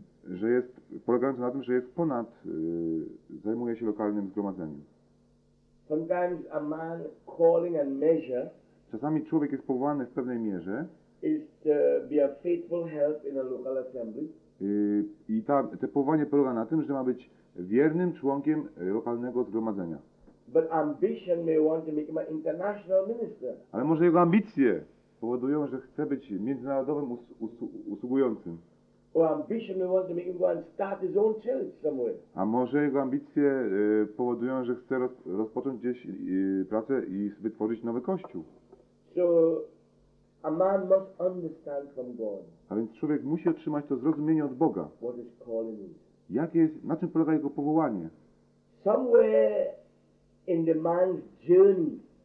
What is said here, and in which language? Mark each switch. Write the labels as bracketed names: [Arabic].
[Polish] że jest polegające na tym, że jest ponad, zajmuje się lokalnym zgromadzeniem. [English] Sometimes a man calling and measure. [Polish] Czasami człowiek jest powołany w pewnej mierze. [English] Is to be a faithful help in a local assembly. [Polish] I to powołanie polega na tym, że ma być wiernym członkiem lokalnego zgromadzenia. [English] But ambition may want to make him an international minister. [Polish] Ale może jego ambicje powodują, że chce być międzynarodowym usługującym. [English] Or ambition may want to make him go and start his own church somewhere. [Polish] A może jego ambicje powodują, że chce rozpocząć gdzieś pracę i wytworzyć nowy kościół. [English] So a man must understand from God. [Polish] A więc człowiek musi otrzymać to zrozumienie od Boga. [English] What his calling is. [Polish] Jakie jest, na czym polega jego powołanie? [English] Somewhere in the man's journey.